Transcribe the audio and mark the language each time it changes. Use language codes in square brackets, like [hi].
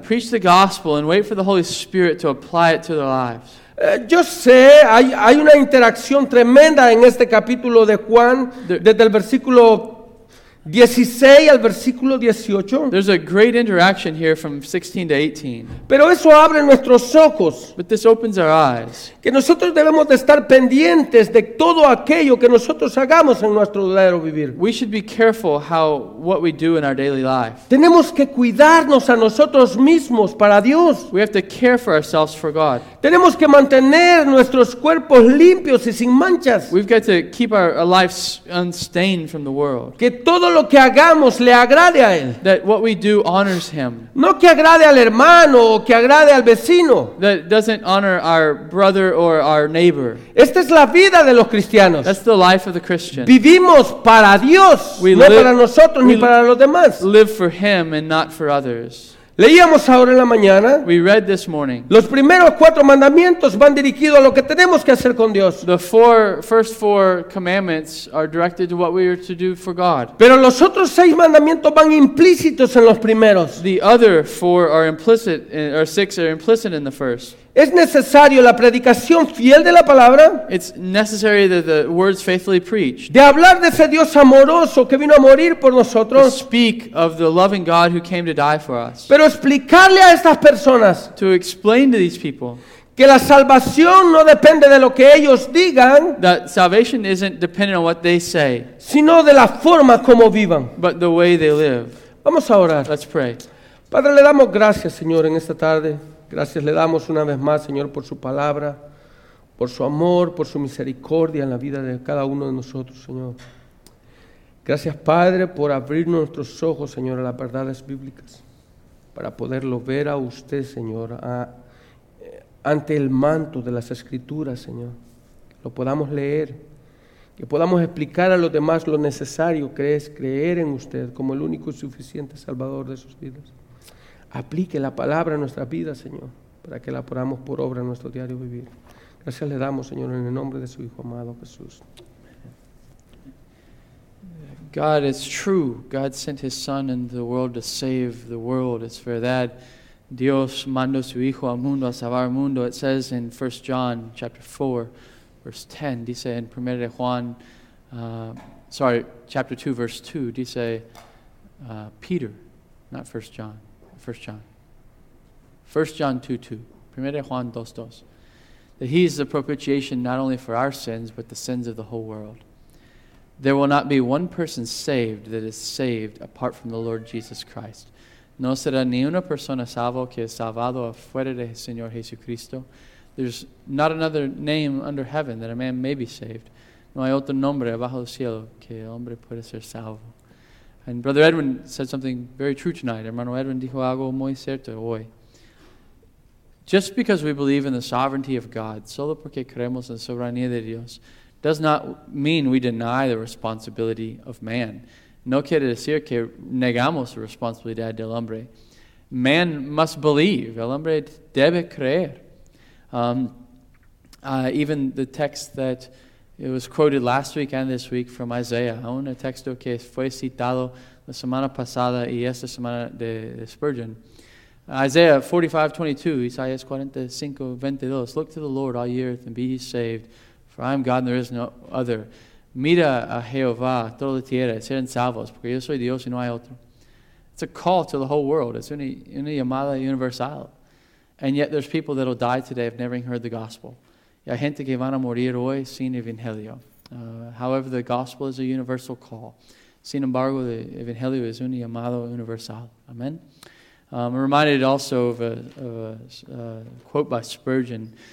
[en] Preach the gospel and wait for the Holy Spirit to apply it to their lives. [es] Yo sé, hay una interacción tremenda en este capítulo de Juan, desde el versículo 16 al versículo 18. [en] There's a great interaction here from 16 to 18. [es] Pero eso abre nuestros ojos. [en] But this opens our eyes. [es] Que nosotros debemos de estar pendientes de todo aquello que nosotros hagamos en nuestro diario vivir. [en] We should be careful how what we do in our daily life. [es] Tenemos que cuidarnos a nosotros mismos para Dios. [en] We have to care for ourselves for God. [es] Tenemos que mantener nuestros cuerpos limpios y sin manchas. [en] We've got to keep our lives unstained from the world. [es] Que todo lo que hagamos le agrade a él. [en] That what we do honors him. [es] No que agrade al hermano o que agrade al vecino. [en] That doesn't honor our brother or our neighbor. [es] Esta es la vida de los cristianos. [en] That's the life of the Christian. [es] Vivimos para Dios, para nosotros ni para los demás. [en] Live for him and not for others. [es] Leíamos ahora en la mañana. [en] We read this morning. [es] Los primeros cuatro mandamientos van dirigidos a lo que tenemos que hacer con Dios. [en] The four, first four commandments are directed to what we are to do for God. [es] Pero los otros seis mandamientos van implícitos en los primeros. [en] The other four are implicit, or six are implicit in the first. [es] Es necesario la predicación fiel de la palabra. [en] It's necessary that the words faithfully preached. [es] De hablar de ese Dios amoroso que vino a morir por nosotros. [en] To speak of the loving God who came to die for us. [es] Pero explicarle a estas personas. [en] To explain to these people. [es] Que la salvación no depende de lo que ellos digan. [en] That salvation isn't dependent on what they say. [es] Sino de la forma como vivan. [en] But the way they live. [es] Vamos a orar. [en] Let's pray. [es] Padre, le damos gracias, Señor, en esta tarde. Gracias le damos una vez más, Señor, por su palabra, por su amor, por su misericordia en la vida de cada uno de nosotros, Señor. Gracias, Padre, por abrir nuestros ojos, Señor, a las verdades bíblicas, para poderlo ver a usted, Señor, ante el manto de las Escrituras, Señor. Lo podamos leer, que podamos explicar a los demás lo necesario que es creer en usted como el único y suficiente Salvador de sus vidas. Aplique la palabra a nuestras vidas, Señor, para que la podamos por obra en nuestro diario vivir. Gracias le damos, Señor, en el nombre de su Hijo amado Jesús. [en] God is true. God sent his son into the world to save the world. It's for that. [es] Dios mandó su hijo al mundo a salvar el mundo. [en] It says in 1 John chapter 4, verse 10, [es] dice en Primera de Juan, [en] chapter 2, verse 2, [es] dice [en] Peter, not 1 John. 1 John 2:2, [es] Primera de Juan 2:2, [en] that he is the propitiation not only for our sins, but the sins of the whole world. There will not be one person saved that is saved apart from the Lord Jesus Christ. [es] No será ni una persona salvo que es salvado afuera del Señor Jesucristo. [en] There's not another name under heaven that a man may be saved. [es] No hay otro nombre abajo del cielo que el hombre puede ser salvo. [en] And Brother Edwin said something very true tonight. [es] Hermano Edwin dijo algo muy cierto hoy. [en] Just because we believe in the sovereignty of God, [es] solo porque creemos en la soberanía de Dios, [en] does not mean we deny the responsibility of man. [es] No quiere decir que negamos la responsabilidad del hombre. [en] Man must believe. [es] El hombre debe creer. [en] Even the text that it was quoted last week and this week from Isaiah, [es] un texto que fue citado la semana pasada y esta semana de Spurgeon. [en] Isaiah 45:22, Isaías 45:22. Look to the Lord, all ye earth, and be ye saved. For I am God, and there is no other. [es] Mira a Jehová, toda la tierra, y serán salvos, porque yo soy Dios y no hay otro. [en] It's a call to the whole world. It's [es] una llamada universal. [en] And yet there's people that will die today of never heard the gospel. [es] Y hay gente que van a morir hoy sin evangelio. [en] However, the gospel is a universal call. [es] Sin embargo, [en] the [es] evangelio es una llamada universal. [en] Amen. I'm reminded also of a quote by Spurgeon.